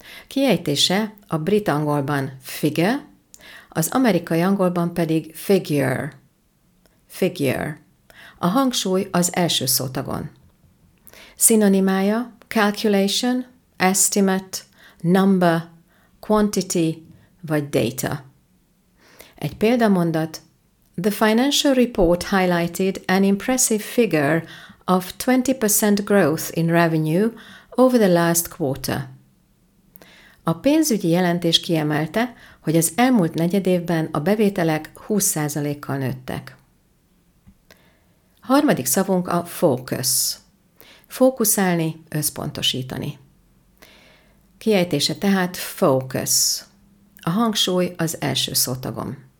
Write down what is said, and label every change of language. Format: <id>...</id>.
<hu>Kiejtése a brit angolban figure, az amerikai angolban pedig figure. Figure. A hangsúly az első szótagon. Szinonimája calculation, estimate, number, quantity vagy data. Egy példamondat.</hu> <en>The financial report highlighted an impressive figure of 20% growth in revenue over the last quarter.</en> <hu>A pénzügyi jelentés kiemelte, hogy az elmúlt negyedévben a bevételek 20%-kal nőttek. Harmadik szavunk a focus. Fókuszálni, összpontosítani. Kiejtése tehát focus. A hangsúly az első szótagon.</hu>